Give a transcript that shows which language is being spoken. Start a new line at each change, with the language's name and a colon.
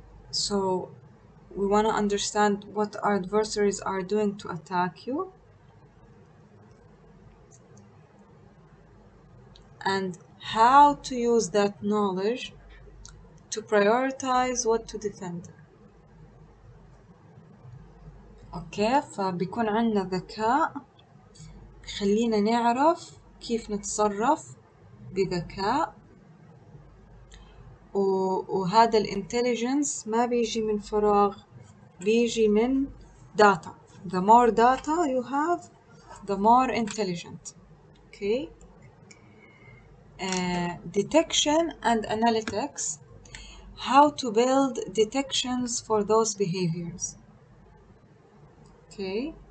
English: So we want to understand what our adversaries are doing to attack you and how to use that knowledge to prioritize what to defend.
Arabic: اوكي فبيكون عندنا ذكاء بخلينا نعرف كيف نتصرف بذكاء، وهذا الانتليجنس ما بيجي من فراغ، بيجي من data.
English: The more data you have the more intelligent. Okay detection and analytics how to build detections for those behaviors. Okay,